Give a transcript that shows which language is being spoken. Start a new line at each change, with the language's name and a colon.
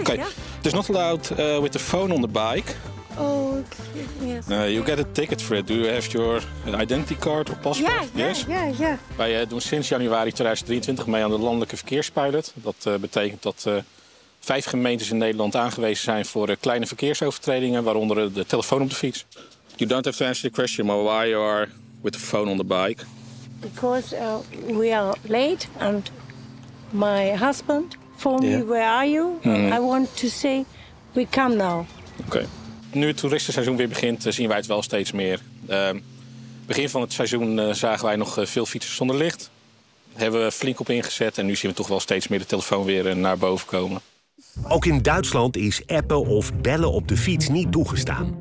English: Okay. It's not allowed with the phone on the bike. Oh, okay. You get a ticket for it. Do you have your identity card or passport?
Dutch: Ja. Wij doen sinds januari 2023 mee aan de landelijke verkeerspilot. Dat betekent dat 5 gemeentes in Nederland aangewezen zijn voor kleine verkeersovertredingen, waaronder de telefoon op de fiets.
English: You don't have to answer the question, but why you are with the phone on the bike? Because we are late and my husband phoned me, where are you? I want to say, we come now. Okay.
Dutch: Nu het toeristenseizoen weer begint, zien wij het wel steeds meer. Begin van het seizoen zagen wij nog veel fietsers zonder licht. Daar hebben we flink op ingezet en nu zien we toch wel steeds meer de telefoon weer naar boven komen. Ook in Duitsland is appen of bellen op de fiets niet toegestaan.